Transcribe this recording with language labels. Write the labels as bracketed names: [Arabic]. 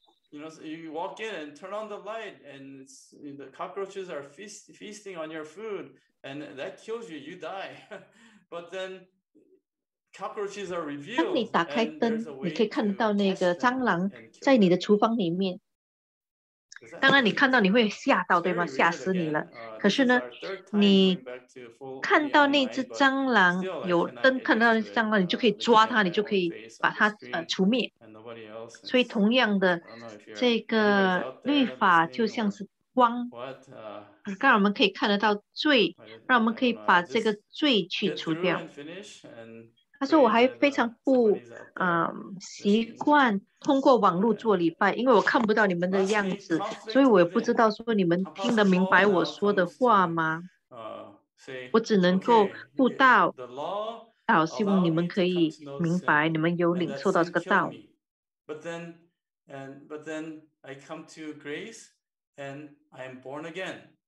[English] you know, so、you walk in and turn on the light and the cockroaches are feasting on your food and that kills you, you die but then cockroaches are revealed [Chinese] 当你打开灯你可以看得到那个蟑螂在你的厨房里面当然你看到你会吓到对吗吓死你了可是呢你看到那只蟑螂有灯看到那只蟑螂你就可以抓它你就可以把它、除灭所以同样的这个律法就像是光让我们可以看得到罪让我们可以把这个罪去除掉他说我还非常不、习惯通过网络做礼拜因为我看不到你们的样子所以我也不知道说你们听得明白我说的话吗我只能够布道道，希望你们可以明白，你们有领受到这个道。 [English] But then I come to grace and I am born again.